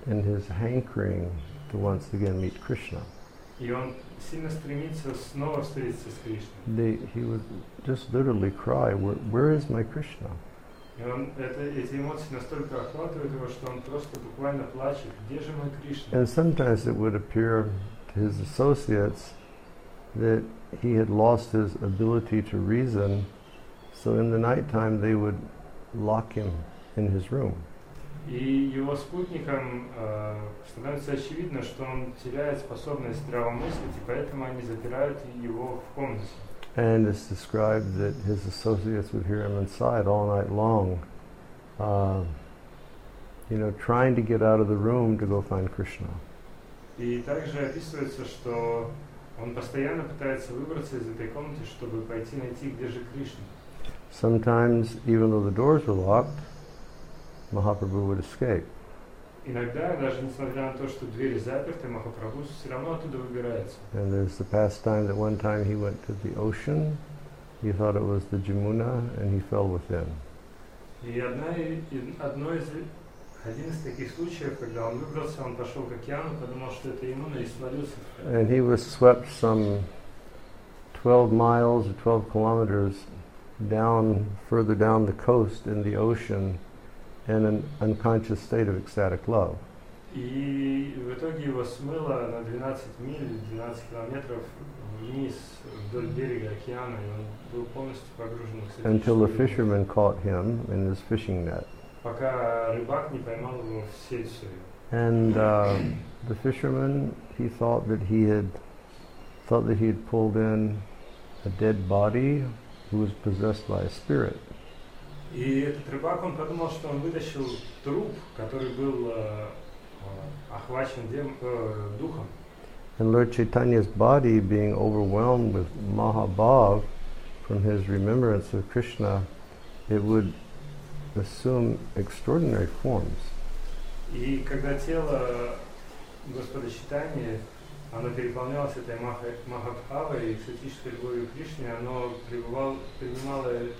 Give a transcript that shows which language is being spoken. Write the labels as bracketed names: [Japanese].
[English] In his hankering to once again meet Krishna. [Russian] И он сильно стремится снова встретиться с Кришной. [English] He would just literally cry, where is my Krishna? [Russian] И он эти эмоции настолько охватывают его, что он просто буквально плачет, где же мой Кришна? [English] And sometimes it would appear to his associates that he had lost his ability to reason, so in the night time they would lock him in his room. [Russian] И его спутникам становится очевидно, что он теряет способность здравомыслить, и поэтому они запирают его в комнате. [English] And it's described that his associates would hear him inside all night long, trying to get out of the room to go find Krishna. [Russian] И также описывается, что он постоянно пытается выбраться из этой комнаты, чтобы пойти найти, где же Кришна. [English] Sometimes, even though the doors were locked, Mahaprabhu would escape. [Russian] Иногда, даже несмотря на то, что двери заперты, Махапрабху все равно оттуда выбирается. [English] And there's the pastime that one time he went to the ocean, he thought it was the Jamuna, and he fell within. [Russian] И один из таких случаев, когда он выбрался, он пошел к океану, подумал, что это Ямуна, и свалился. [English] And he was swept some 12 miles or 12 kilometers down, further down the coast in the ocean, in an unconscious state of ecstatic love. [Russian] И в итоге его смыло на 12 миль, 12 километров вниз вдоль берега океана, и он был полностью погружен в [English] ecstatic love. Until a fisherman caught him in his fishing net. [Russian] Пока рыбак не поймал его в сеть свою. [English] And the fisherman, he thought that he had pulled in a dead body who was possessed by a spirit. [Russian] И этот рыбак, он подумал, что он вытащил труп, который был охвачен духом. [English] And Lord Chaitanya's body, being overwhelmed with Mahabhav from his remembrance of Krishna, it would assume extraordinary forms. [Russian] И когда тело Господа Чайтаньи, оно переполнялось этой Махабхавой и экстатической любовью к Кришне, оно принимало